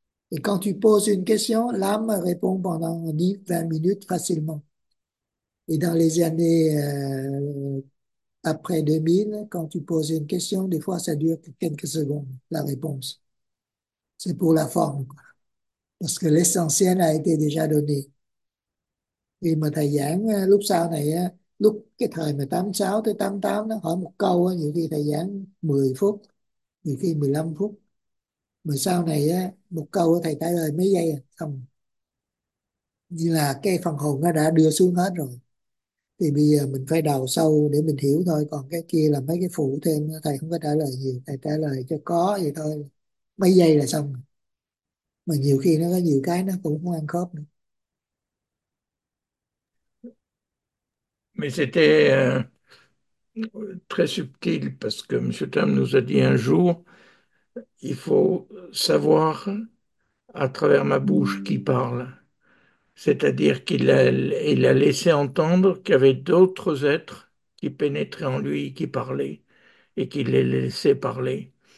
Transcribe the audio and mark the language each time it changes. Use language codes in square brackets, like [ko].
[fr] Et quand tu poses une question, l'âme répond pendant 10-20 minutes facilement. Et dans les années après 2000, quand tu poses une question, des fois ça dure quelques secondes, la réponse. C'est pour la forme, quoi. Parce que l'essentiel a été déjà donné. [vi] Khi mà thầy giảng lúc sau này á, lúc cái thời mà 86 tới 88 nó hỏi một câu á, nhiều khi thầy giảng 10 phút, nhiều khi 15 phút. Mà sau này á, một câu thầy trả lời mấy giây à? Không. Như là cái phần hồn nó đã đưa xuống hết rồi. Thì bây giờ mình phải đào sâu để mình hiểu thôi. Còn cái kia là mấy cái phụ thêm, thầy không có trả lời gì. Thầy trả lời cho có vậy thôi. Mấy giây là xong. Mà nhiều khi nó có nhiều cái nó cũng không ăn khớp nữa. [fr] Mais c'était très subtil parce que M. Tam nous a dit un jour, il faut savoir à travers ma bouche qui parle. C'est-à-dire qu'il a laissé entendre qu'il y avait d'autres êtres qui pénétraient en lui, qui parlaient, et qu'il les laissait parler.